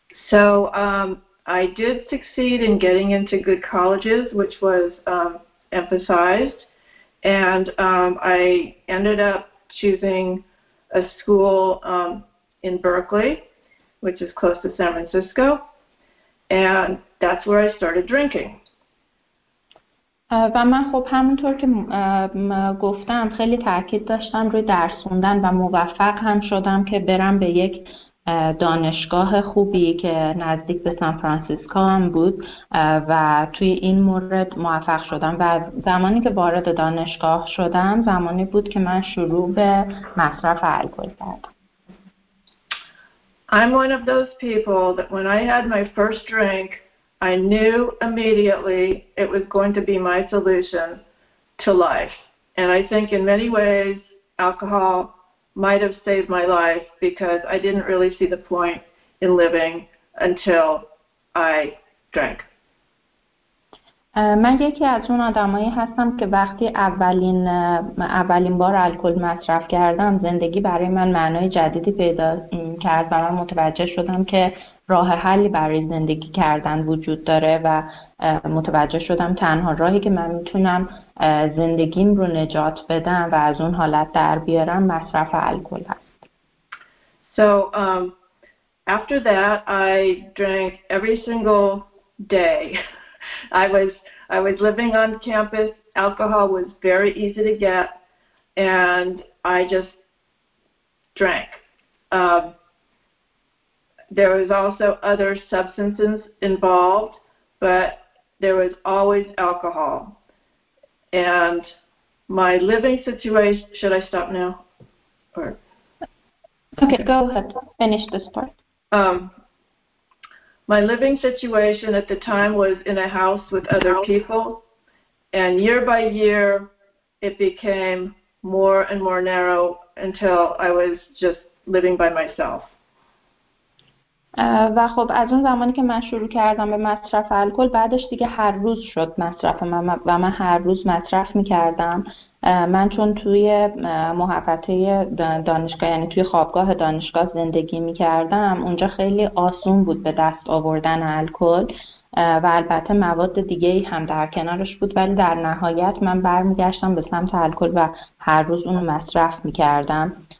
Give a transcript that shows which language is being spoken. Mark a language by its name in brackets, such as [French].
[English] So I did succeed in getting into good colleges, which was emphasized, and I ended up choosing a school in Berkeley, which is close to San Francisco, and that's where I started drinking. [Persian] و من خب همونطور که گفتم خیلی تاکید داشتم روی درس خوندن و موفق هم شدم که برم به یک دانشگاه خوبی که نزدیک به سان فرانسیسکو هم بود و توی این مورد موفق شدم و زمانی که وارد دانشگاه شدم زمانی بود که من شروع به مصرف الکل کردم. [English] I'm one of those people that when I had my first drink, I knew immediately it was going to be my solution to life. And I think in many ways, alcohol might have saved my life because I didn't really see the point in living until I drank. [Persian] من یکی از اون آدمایی هستم که وقتی اولین بار الکل مصرف کردم زندگی برای من معنای جدیدی پیدا کرد و من متوجه شدم که راه حلی برای زندگی کردن وجود داره و متوجه شدم تنها راهی که من میتونم زندگیم رو نجات بدم و از اون حالت در بیارم مصرف الکل هست. [English] So after that I drank every single day. I was living on campus. Alcohol was very easy to get, and I just drank. There was also other substances involved, but there was always alcohol. And my living situation. Should I stop now? Or okay, go ahead. Finish this part. My living situation at the time was in a house with other people, and year by year, it became more and more narrow until I was just living by myself. [Persian] و خب از اون زمانی که من شروع کردم به مصرف الکل بعدش دیگه هر روز شد مصرف من و من هر روز مصرف می‌کردم. من چون توی محوطه دانشگاه یعنی توی خوابگاه دانشگاه زندگی می‌کردم اونجا خیلی آسون بود به دست آوردن الکل و البته مواد دیگه‌ای هم در کنارش بود ولی در نهایت من برمیگشتم به سمت الکل و هر روز اونو مصرف می‌کردم.